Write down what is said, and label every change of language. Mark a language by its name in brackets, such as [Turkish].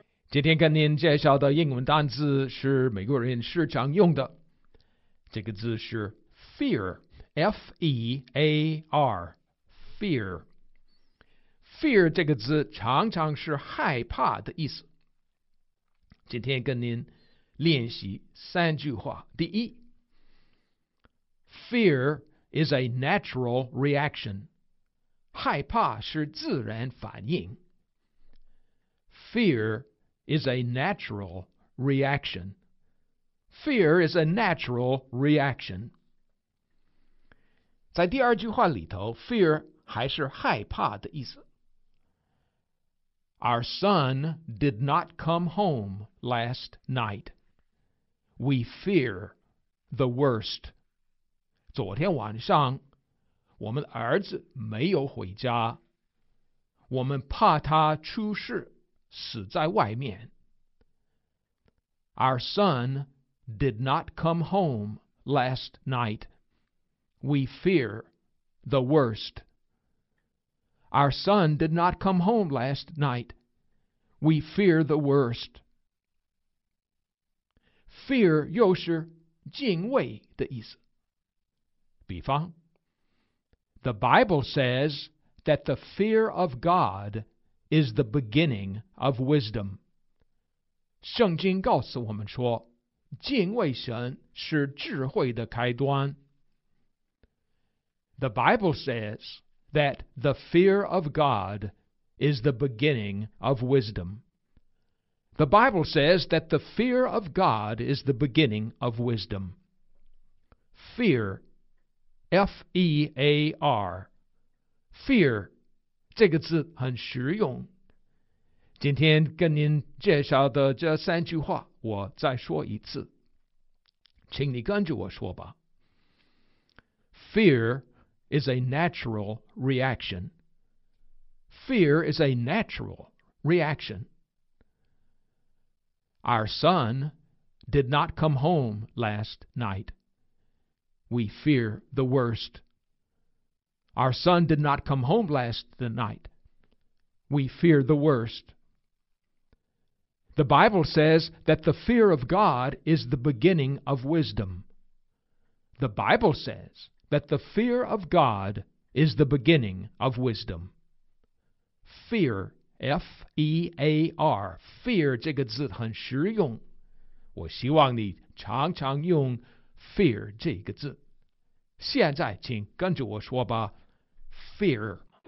[Chinese] 今天跟您介绍的英文单词是美国人时常用的，这个字是 fear，F-E-A-R，fear。 fear 这个字常常是害怕的意思。今天跟您练习三句话。第一 ， [English] fear is a natural reaction， [Chinese] 害怕是自然反应。 [English] fear is a natural reaction. Fear is a natural reaction. [Chinese] 在第二句话里头 ,fear 还是害怕的意思。 [English] Our son did not come home last night. We fear the worst. [Chinese] 昨天晚上我们儿子没有回家。我们怕他出事。死在外面。 [English] Our son did not come home last night. We fear the worst. Our son did not come home last night. We fear the worst. [Chinese] Fear 又是敬畏的意思。 [English] 比方， The Bible says that the fear of God is the beginning of wisdom. [Chinese] 圣经告诉我们说，敬畏神是智慧的开端。 [English] The Bible says that the fear of God is the beginning of wisdom. The Bible says that the fear of God is the beginning of wisdom. Fear, F-E-A-R, fear. [Chinese] 这个字很实用。今天跟您介绍的这三句话，我再说一次，请你跟着我说吧。 [English] Fear is a natural reaction. Fear is a natural reaction. Our son did not come home last night. We fear the worst. Our son did not come home last night. We fear the worst. The Bible says that the fear of God is the beginning of wisdom. The Bible says that the fear of God is the beginning of wisdom. [Chinese] Fear, F-E-A-R, fear 这个字很实用。我希望你常常用 fear 这个字。现在请跟着我说吧。Fear.